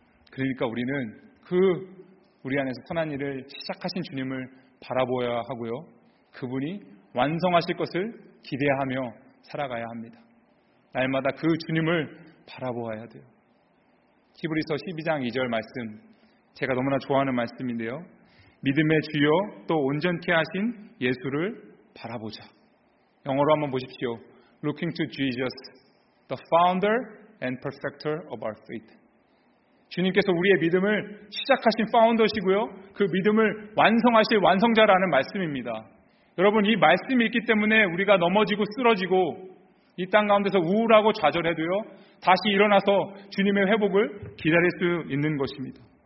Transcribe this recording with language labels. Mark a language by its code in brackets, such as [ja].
[ko] 그러니까 우리는 그 우리 안에서 선한 일을 시작하신 주님을 바라보아야 하고요, 그분이 완성하실 것을 기대하며 살아가야 합니다. 날마다 그 주님을 바라보아야 돼요. 히브리서 12장 2절 말씀, 제가 너무나 좋아하는 말씀인데요, 믿음의 주여 또 온전케 하신 예수를 바라보자. 영어로 한번 보십시오. [en] Looking to Jesus, the founder and perfecter of our faith. [ko] 주님께서 우리의 믿음을 시작하신 파운더시고요, 그 믿음을 완성하실 완성자라는 말씀입니다. 여러분 이 말씀이 있기 때문에 우리가 넘어지고 쓰러지고 이 땅 가운데서 우울하고 좌절해도요, 다시 일어나서 주님의 회복을 기다릴 수 있는 것입니다.